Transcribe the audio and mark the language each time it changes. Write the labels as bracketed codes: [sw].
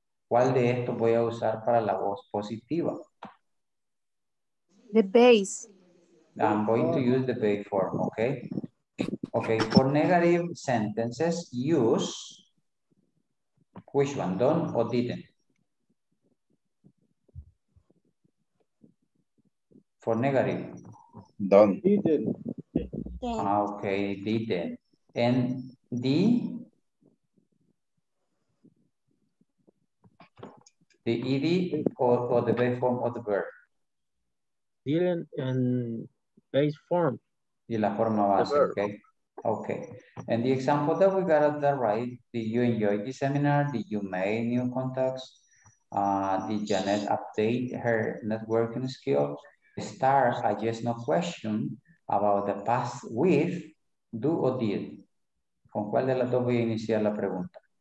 [es] ¿Cuál de estos voy a usar para la voz positiva? [en] The base. I'm going to use the base form, okay? Okay, for negative sentences, use which one, done or didn't? For negative. Done. Didn't. Okay, didn't. And D? The ED or the base form of the verb? Didn't and base form. [es] Y la forma base, okay? Okay. [en] And the example that we got at the right, did you enjoy the seminar? Did you make new contacts? Did Janet update her networking skills? Star, I just no question about the past with do or did. [es] ¿Con cuál de las dos voy a iniciar la pregunta?